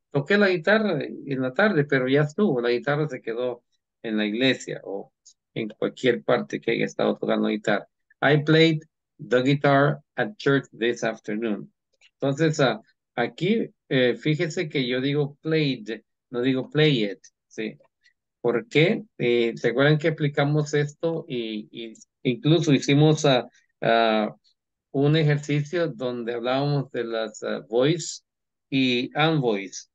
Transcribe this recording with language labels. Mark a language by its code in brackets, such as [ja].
[es] Toqué la guitarra en la tarde, pero ya estuvo. La guitarra se quedó en la iglesia o en cualquier parte que haya estado tocando la guitarra. [en] I played the guitar at church this afternoon. [es] Entonces, aquí, fíjese que yo digo played, no digo play it, ¿sí? ¿Por qué? ¿Se acuerdan que explicamos esto? Y incluso hicimos un ejercicio donde hablábamos de las voice y unvoice.